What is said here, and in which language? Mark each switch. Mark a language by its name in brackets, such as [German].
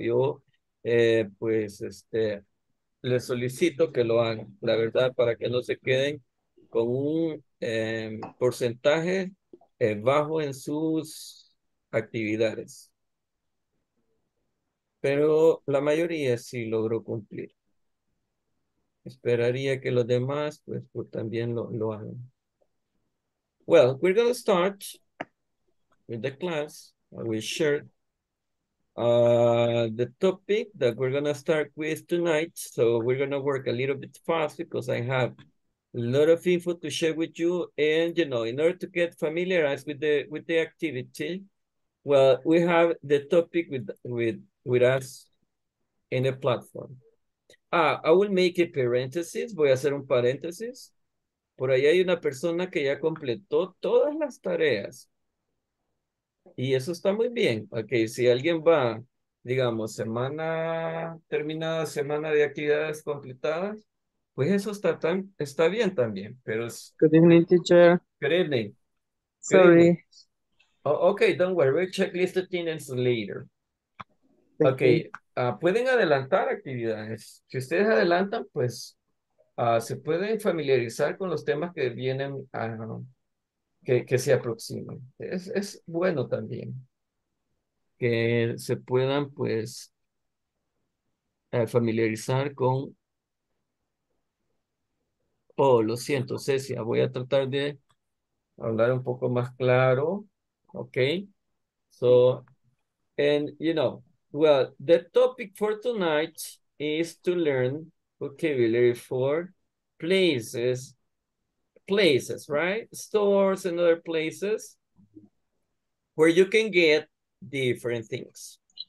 [Spanish] Yo, les solicito que lo hagan, la verdad, para que no se queden con un porcentaje bajo en sus actividades. Pero la mayoría sí logró cumplir. Esperaría que los demás, pues también lo hagan. [English] Well, we're going to start with the class. I will share the topic that we're going to start with tonight. So we're going to work a little bit fast because I have a lot of info to share with you. And, you know, in order to get familiarized with the activity, well, we have the topic with us in a platform. Ah, I will make a parenthesis, [Spanish] voy a hacer un paréntesis. Por ahí hay una persona que ya completó todas las tareas. Y eso está muy bien. Ok, si alguien va digamos, semana terminada, semana de actividades completadas, pues eso está, tan, está bien también, pero es... [English] Good evening, teacher. Good evening. Sorry. Oh, okay, don't worry, we'll checklist the attendance later. [Spanish] Ok, pueden adelantar actividades. Si ustedes adelantan, pues se pueden familiarizar con los temas que vienen, que se aproximan. Es bueno también que se puedan, pues, familiarizar con... Oh, lo siento, Cecia, voy a tratar de hablar un poco más claro. [English] Ok, so, and, you know, well, the topic for tonight is to learn vocabulary for places, right? Stores and other places where you can get different things.